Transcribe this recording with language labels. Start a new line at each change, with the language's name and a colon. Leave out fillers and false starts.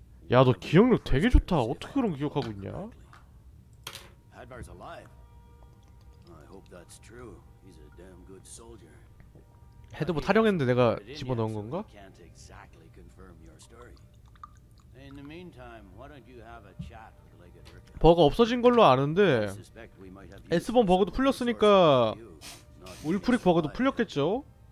Korean: 야, 너 기억력 되게 좋다. 어떻게 그런 거 기억하고 있냐?
English: Hadvar's alive. I hope that's true. He's a damn good soldier.
Korean: 헤드 뭐 탈영했는데 내가 집어넣은 건가?
English: Can't exactly confirm your story. In the meantime, why don't you have a chat with Legat?
Korean: 버그 없어진 걸로 아는데 S번 버그도 풀렸으니까 울프릭 버그도 풀렸겠죠?